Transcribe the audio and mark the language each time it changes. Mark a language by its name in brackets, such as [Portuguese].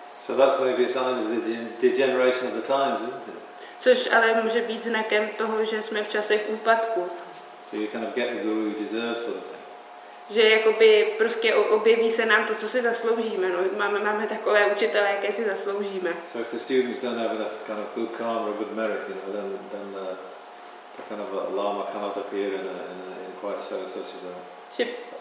[English] So that's maybe a sign of the degeneration of the times, isn't it? [Czech] Což ale může být znakem toho, že jsme v časech úpadku. [English] So you kind of get the guru you deserve sort of thing. [Czech] Že jakoby prostě objeví se nám to, co si zasloužíme. No, máme takové učitele, jaké si zasloužíme. [English] So if the students don't have enough kind of good karma or good merit, you know, then the kind of a lama cannot appear in quite a such a way.